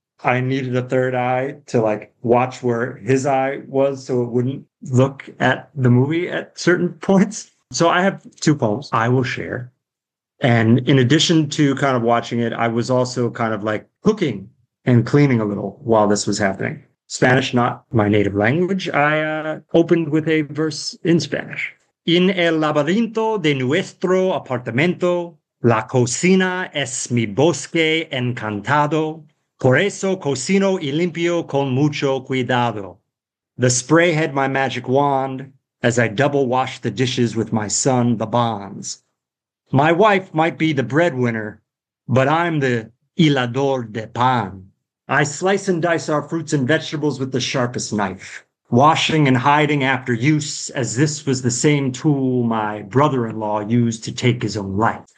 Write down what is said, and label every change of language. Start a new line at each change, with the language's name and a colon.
English: I needed a third eye to like watch where his eye was so it wouldn't look at the movie at certain points. So I have two poems I will share. And in addition to kind of watching it, I was also kind of like cooking and cleaning a little while this was happening. Spanish, not my native language. I opened with a verse in Spanish.
Spanish: In el laberinto de nuestro apartamento, la cocina es mi bosque encantado. Por eso cocino y limpio con mucho cuidado.
English: The spray had my magic wand as I double wash the dishes with my son, the Bonds. My wife might be the breadwinner, but I'm the
Spanish: hilador de pan.
English: I slice and dice our fruits and vegetables with the sharpest knife, washing and hiding after use, as this was the same tool my brother-in-law used to take his own life.